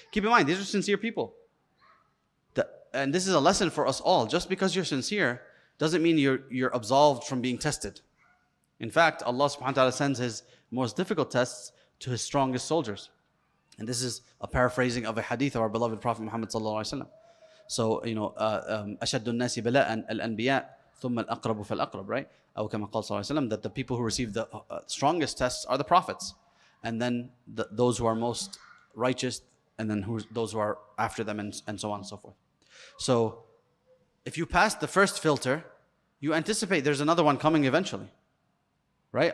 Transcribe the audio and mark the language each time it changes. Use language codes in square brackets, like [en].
[en] Keep in mind, these are sincere people. And this is a lesson for us all. Just because you're sincere doesn't mean you're absolved from being tested. In fact, Allah subhanahu wa ta'ala sends his most difficult tests to his strongest soldiers. And this is a paraphrasing of a hadith of our beloved Prophet Muhammad sallallahu alaihi wasallam. So, you know, [ar] أَشَدُّ النَّاسِ بَلَاءً الْأَنْبِيَاءِ ثُمَّ الْأَقْرَبُ فَالْأَقْرَبُ, [en] right? [ar] أَوْ كَمَا قَالَ صَلَّى اللَّهُ عَلَيْهِ وَسَلَّمَ, [en] that the people who receive the strongest tests are the prophets. And then those who are most righteous, and then those who are after them, and so on and so forth. So, if you pass the first filter, you anticipate there's another one coming eventually. Right?